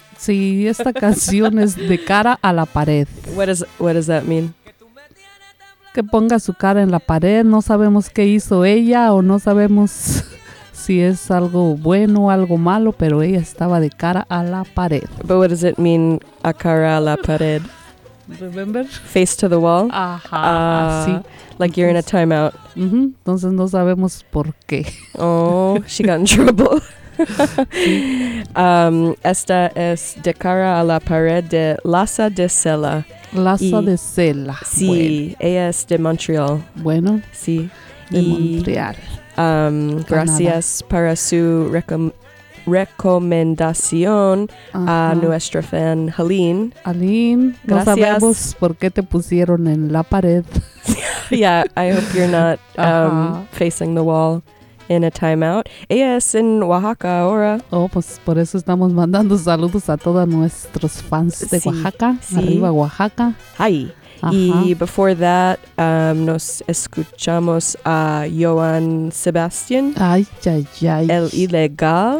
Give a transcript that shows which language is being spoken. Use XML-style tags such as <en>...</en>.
<es>Sí, esta canción es De Cara a la Pared.</es> <en>What does that mean?</en> <es>Que ponga su cara en la pared. No sabemos qué hizo ella o no sabemos si es algo bueno o algo malo, pero ella estaba de cara a la pared.</es> <en>But what does it mean,</en> <es>a cara a la pared?</es> <en>Remember? Face to the wall.</en> <es>Ajá, sí.</es> <en>Like you're in a timeout.</en> <es>Uh-huh. Entonces no sabemos por qué.</es> <en>Oh, she got in trouble.</en> <es>esta es De Cara a la Pared de Lassa de Sela. Lassa de Sela. Sí, bueno. Ella es de Montreal. Bueno. Sí. De Montreal. Gracias para su recomendación. Uh-huh. A nuestra fan Helene. Helene, gracias. No sabemos por qué te pusieron en la pared.</es> <en>Yeah, I hope you're not facing the wall in a timeout.</en> <es>Ella es en Oaxaca ahora. Oh, pues por eso estamos mandando saludos a todos nuestros fans de Oaxaca. Sí. Arriba Oaxaca.</es> <en>Hi.</en> <es>Uh-huh. Y</es> <en>before that,</en> <es>nos escuchamos a Joan Sebastian. Ay, ay, ay. El Ilegal.</es>